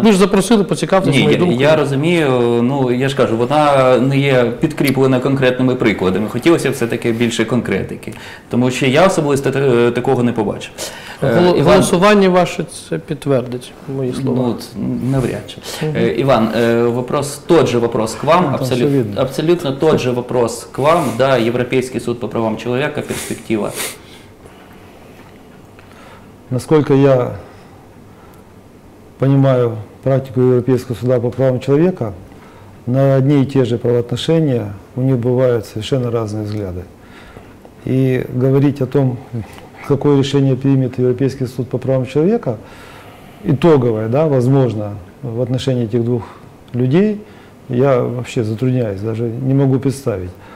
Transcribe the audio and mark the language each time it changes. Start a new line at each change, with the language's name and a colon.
Ukrainian: Ви ж запросили поцікавитись моєю думкою. Ні, я розумію, ну, я ж кажу, вона не є підкріплена конкретними прикладами. Хотілося б все-таки більше конкретики. Тому що я особисто такого не побачив. Голосування ваше це підтвердить, мої слова. Ну, навряд чи.
Russian: Іван, вопрос, той же вопрос к вам. Абсолютно той же вопрос к вам.
Ukrainian: Да, Європейський суд по правам чоловіка, перспектива.
Russian: Насколько я понимаю практику Европейского суда по правам человека, на одни и те же правоотношения у них бывают совершенно разные взгляды. И говорить о том, какое решение примет Европейский суд по правам человека, итоговое, да, возможно, в отношении этих двух людей, я вообще затрудняюсь, даже не могу представить.